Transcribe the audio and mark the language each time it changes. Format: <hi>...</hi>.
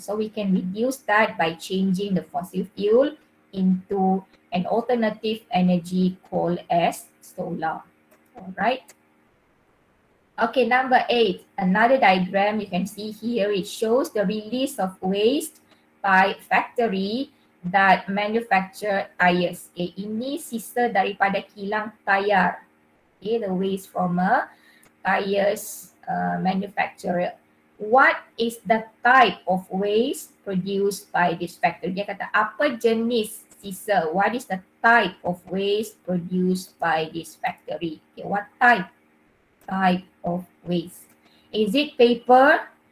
<en>So we can reduce that by changing the fossil fuel into an alternative energy called as solar. All right. Okay, number 8. Another diagram you can see here. It shows the release of waste by factory that manufacture tires.</en> <ms>Okay, ini sisa daripada kilang tayar.</ms> <en>Okay, the waste from a tires manufacturer. What is the type of waste produced by this factory?</en> <ms>Dia kata apa jenis sisa?</ms> <en>What is the type of waste produced by this factory? Okay, what type? Type of waste. Is it paper?</en>